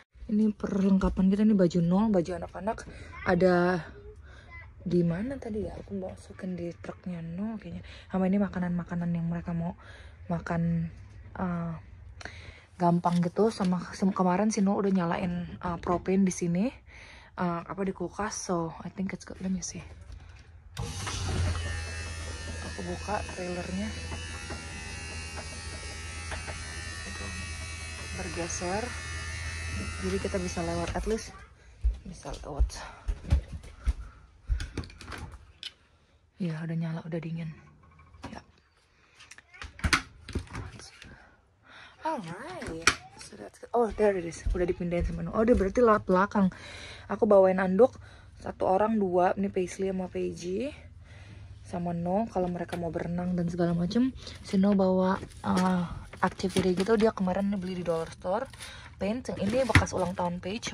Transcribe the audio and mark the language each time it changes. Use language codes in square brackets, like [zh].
[id] Ini perlengkapan kita, ini baju nol, baju anak-anak. Ada di mana tadi ya? Aku masukin di truknya nol kayaknya. Sama ini makanan-makanan yang mereka mau makan gampang gitu. Sama kemarin si Noel udah nyalain propane di sini di kulkas. [en] So I think it's good. Let me see. [id] Aku buka trailernya, bergeser jadi kita bisa lewat, [en] at least [id] bisa lewat. Ya udah nyala, udah dingin. [en] Alright, so that's good. Oh, there it is. [id] Udah dipindahin sama Noel. Oh, dia berarti lewat belakang. Aku bawain anduk satu orang dua. Ini Paisley sama Paige sama Noel. Kalau mereka mau berenang dan segala macam, si Noel bawa activity gitu. Dia kemarin beli di dollar store paint. Ini bekas ulang tahun Paige.